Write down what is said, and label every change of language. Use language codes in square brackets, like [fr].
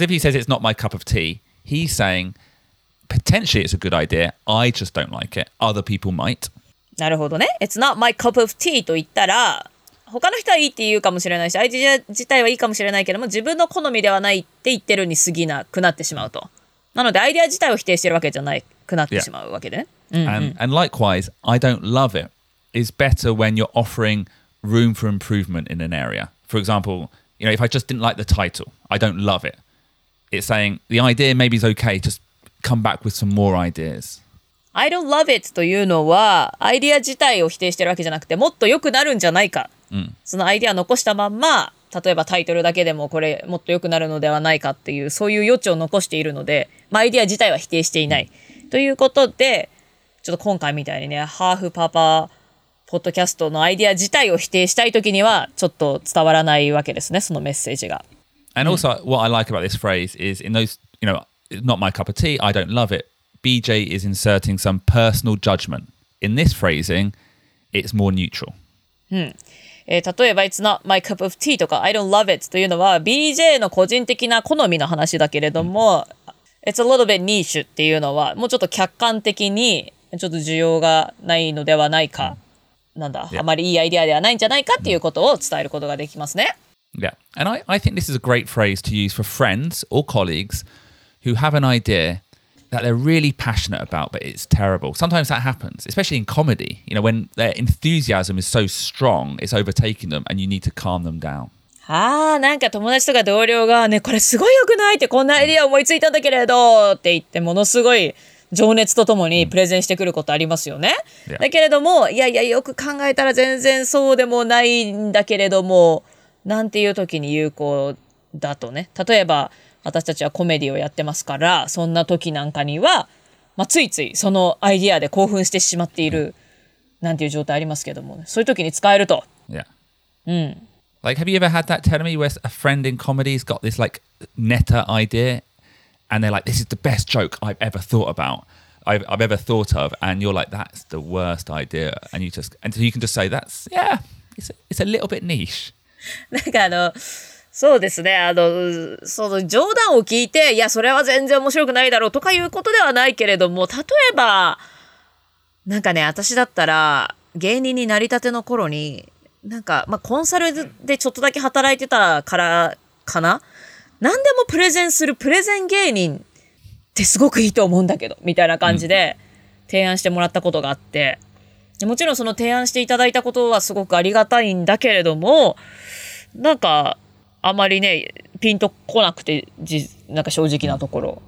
[en] if he says it's not my cup of tea, he's saying potentially it's a good idea. I just don't like it. Other people might. [ja] なるほどね。 [en] It's not my cup of tea [ja] と言ったら、他の人はいいって言うかもしれないし、アイディア自体はいいかもしれないけども、自分の好みではないって言ってるに過ぎなくなってしまうと。なのでアイディア自体を否定してるわけじゃないくなってしまうわけで。 [en] And likewise, I don't love it is better when you're offering room for improvement in an area. For example,You know, if I just didn't like the title, I don't love it. It's saying the idea maybe is okay, just come back with some more ideas. I don't love it [ja] というのは、アイディア自体を否定してるわけじゃなくて、もっと良くなるんじゃないか。 Mm. そのアイディア残したまま、例えばタイトルだけでもこれもっと良くなるのではないかっていう、そういう余地を残しているので、まあ、アイディア自体は否定していない。 Mm. ということで、ちょっと今回みたいにね、ハーフパパポッドキャストのアイディア自体を否定したいときにはちょっと伝わらないわけですね、そのメッセージが。 [en] And also、うん、what I like about this phrase is in those, you know, not my cup of tea, I don't love it, BJ is inserting some personal judgment. In this phrasing, it's more neutral. [ja] うん、例えば [en] It's not my cup of tea [ja] とか [en] I don't love it [ja] というのは BJ の個人的な好みの話だけれども、うん、 [en] It's a little bit niche [ja] っていうのはもうちょっと客観的にちょっと需要がないのではないか、うん、なんだ、yeah. あまりいいアイデアではないんじゃないかっていうことを伝えることができますね。 Yeah. [en] And I think this is a great phrase to use for friends or colleagues who have an idea that they're really passionate about, but it's terrible. Sometimes that happens, especially in comedy. You know, when their enthusiasm is so strong, it's overtaking them and you need to calm them down. [ja] ああ、なんか友達とか同僚がね、これすごい良くないってこんなアイデア思いついたんだけれどって言って、ものすごい情熱とともにプレゼンしてくることありますよね、うん、だけれどもいやいやよく考えたら全然そうでもないんだけれどもなんていう時に有効だとね例えば私たちはコメディをやってますからそんな時なんかには、まあ、ついついそのアイディアで興奮してしまっている、うん、なんていう状態ありますけども、ね、そういう時に使えると、 yeah. うん、 [en] Like have you ever had that tell me where a friend in comedy has got this like netter ideaAnd they're like, this is the best joke I've ever thought about, I've ever thought of. And you're like, that's the worst idea. And you just, and so you can just say, that's, yeah, it's a little bit niche. [ja] なんかあの、そうですね。あの、その冗談を聞いて、いや、それは全然面白くないだろうとかいうことではないけれども、例えば、なんかね、私だったら、芸人になりたての頃に、なんか、まあ、コンサルでちょっとだけ働いてたからかな何でもプレゼンするプレゼン芸人ってすごくいいと思うんだけどみたいな感じで提案してもらったことがあってもちろんその提案していただいたことはすごくありがたいんだけれどもなんかあまりねピンとこなくてなんか正直なところ、